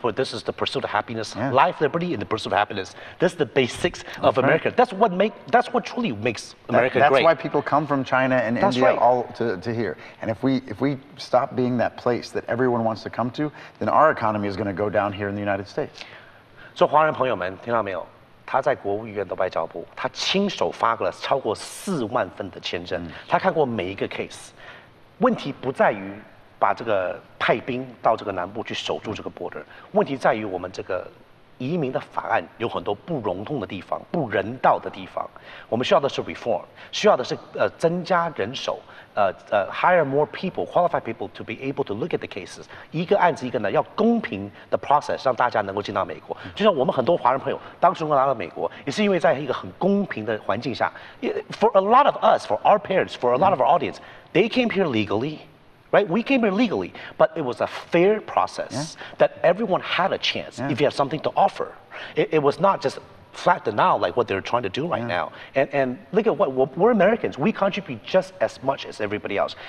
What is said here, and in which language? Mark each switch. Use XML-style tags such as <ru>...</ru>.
<en>Where this is the pursuit of happiness, yeah. Life, liberty, and the pursuit of happiness. This is the basics of America. Right. That's what truly makes America that's great. That's why people come from China and that's India right. all to here. And if we stop being that place that everyone wants to come to, then our economy is going to go down here in the United States.</en> <zh>So, 华人朋友们，听到没有？他在国务院的外交部，他亲手发了超过40,000份的签证。 Mm. 他看过每一个 case. 问题不在于。把这个派兵到这个南部去守住这个 border， 问题在于我们这个移民的法案有很多不容痛的地方、不人道的地方。我们需要的是 reform， 需要的是增加人手，</zh> <en>hire more people, qualified people to be able to look at the cases。</en> <zh>一个案子一个呢，要公平的 process， 让大家能够进到美国。就像我们很多华人朋友当时能够来到美国，也是因为在一个很公平的环境下。</zh> <en>For a lot of us, for our parents, for a lot of our audience, they came here legally. Right, we came here legally, but it was a fair process yeah. that everyone had a chance yeah. if you have something to offer. It was not just flat denial like what they're trying to do right yeah. now. And look at what, we're Americans. We contribute just as much as everybody else.</en>